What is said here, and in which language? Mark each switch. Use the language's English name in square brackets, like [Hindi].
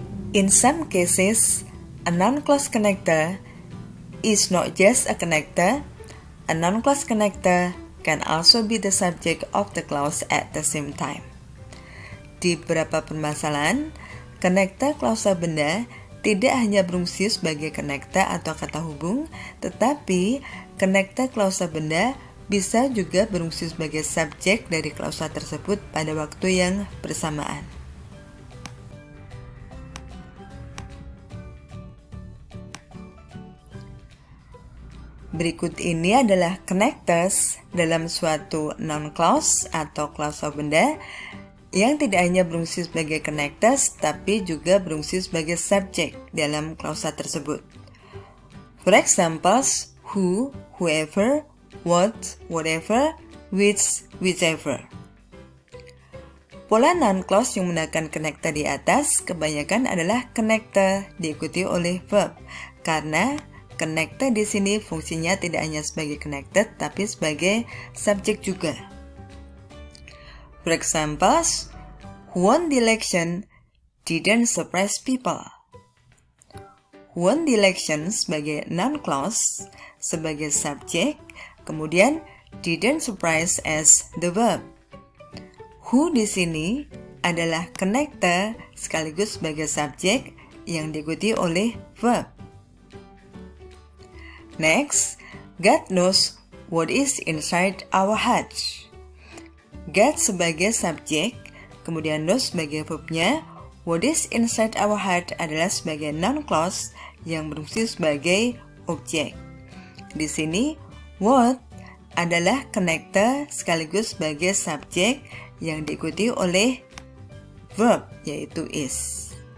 [English] In some cases, a non-clause connector is not just a connector. A non-clause connector can also be the subject of the clause at the same time. [Indonesian] Di beberapa permasalahan, konektor klausa benda tidak hanya berfungsi sebagai konektor atau kata hubung, tetapi konektor klausa benda bisa juga berfungsi sebagai subjek dari klausa tersebut pada waktu yang bersamaan. Berikut ini adalah connectors dalam suatu non-clause atau klausa benda yang tidak hanya berfungsi sebagai connectors, tapi juga berfungsi sebagai subject dalam klausa tersebut. [English] For examples, who, whoever, what, whatever, which, whichever. [Indonesian] Pola non-clause yang menggunakan connector di atas kebanyakan adalah connector diikuti oleh verb, karena connector di sini fungsinya tidak hanya sebagai connected, tapi sebagai subject juga. [English] For examples, won the election didn't surprise people. Won the election sebagai non-clause, sebagai subject, kemudian didn't surprise as the verb. [Indonesian] Who di sini adalah connector sekaligus sebagai subject yang diikuti oleh verb. [English] Next, God knows what is inside our hearts. [Indonesian] God sebagai subjek, kemudian knows sebagai verbnya. [English] What is inside our heart [Indonesian] adalah sebagai non-clause yang berfungsi sebagai objek. Di sini, what adalah connector sekaligus sebagai subjek yang diikuti oleh verb, yaitu is.